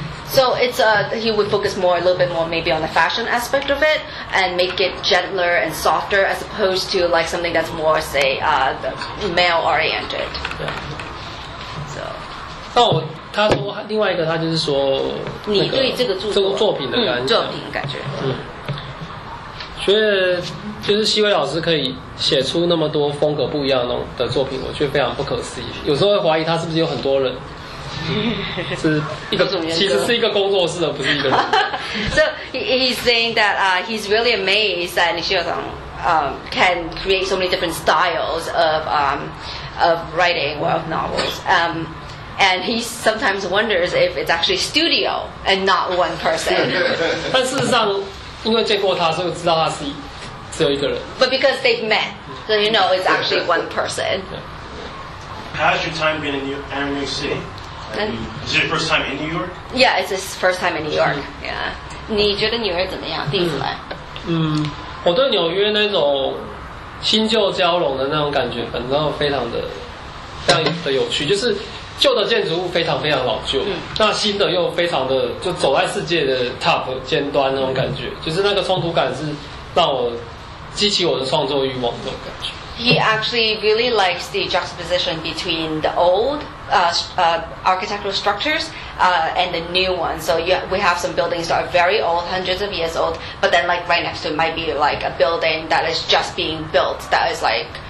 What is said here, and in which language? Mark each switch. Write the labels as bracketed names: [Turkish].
[English] So it's he would focus more a little bit more maybe on the fashion aspect of it and make it gentler and softer as opposed to like something that's more say male oriented. Yeah. So. [Chinese] 他说另外一个他就是说、那个、你对这个著 作, 作品的感觉、作品感觉所以就是西威老师可以写出那么多风格不一样 的作品，我觉得非常不可思议，有时候会怀疑他是不是有很多人是一个其实是一个工作室的，不是一个人。 [English] So he's saying that he's really amazed that 李秀堂can create so many different styles of writing or of novels. And he sometimes wonders if it's actually studio and not one person. [Chinese] 但事实上，因为见过他，所以知道他是只有一个人。 [English] But because they've met, so you know it's actually one person. How's your time been in New York, in New York City? Is it your first time in New York? Yeah, it's his first time in New York. Yeah. [Chinese] 你觉得纽约怎么样？第一次来？我对纽约那种新旧交融的那种感觉，反正非常的有趣，就是。旧的建筑物非常非常老旧，那新的又非常的就走在世界的 top 尖端那种感觉，就是那个冲突感是让我激起我的创作欲望那种感觉。 [English] He actually really likes the juxtaposition between the old architectural structures and the new ones. So we have some buildings that are very old, hundreds of years old, but then like right next to it might be like a building that is just being built that is like.